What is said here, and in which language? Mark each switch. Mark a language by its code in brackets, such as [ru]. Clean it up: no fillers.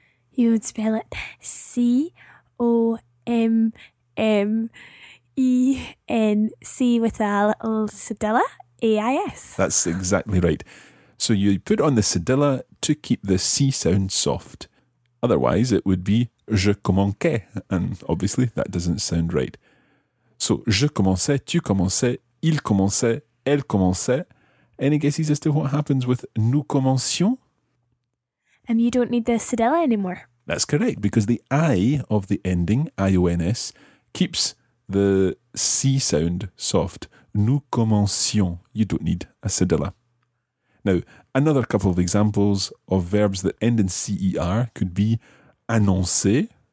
[en] You would spell it C-O-M-M-E-N-C with a little cedilla, A-I-S. That's exactly right. So you put on the cedilla to keep the C sound soft. Otherwise it would be [fr] je commençais, [en] and obviously that doesn't sound right. So [fr] je commençais, tu commençais, il commençait, elle commençait. [en] Any guesses as to what happens with [fr] nous commencions? [en] You don't need the cedilla anymore. That's correct, because the I of the ending, I-O-N-S, keeps the C sound soft. [fr] Nous commencions. [en] You don't need a cedilla. Now, another couple of examples of verbs that end in C-E-R could be annoncer.